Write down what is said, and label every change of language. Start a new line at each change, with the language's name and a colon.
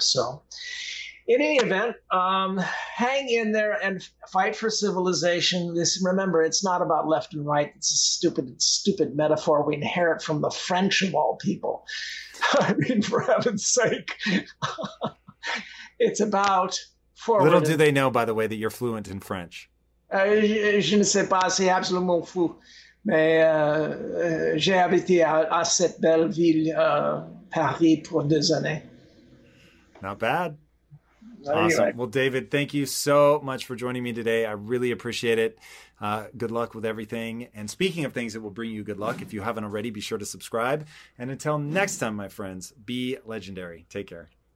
English: So in any event, hang in there and fight for civilization. This, remember, it's not about left and right. It's a stupid metaphor we inherit from the French of all people. I mean, for heaven's sake. It's about... forward. Little do they know, by the way, that you're fluent in French.
French: Je ne sais pas, c'est absolument fou. Mais j'ai habité à cette belle ville, Paris, pour 2 années.
English: Not bad. Anyway. Awesome. Well, David, thank you so much for joining me today. I really appreciate it. Good luck with everything. And speaking of things that will bring you good luck, if you haven't already, be sure to subscribe. And until next time, my friends, be legendary. Take care.